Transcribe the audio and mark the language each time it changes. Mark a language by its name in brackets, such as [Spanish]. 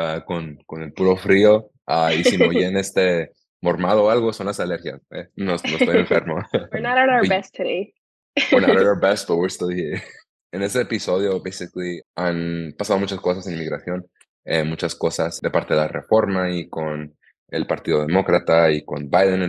[Spanish] Con el puro frío, y si me oyen mormado o algo, son las alergias, No estoy enfermo. [English] We're not at our best today. We're not at our best, but we're still here. [Spanish] En este episodio, basically, han pasado muchas cosas en inmigración, muchas cosas de parte de la reforma y con el Partido Demócrata y con Biden.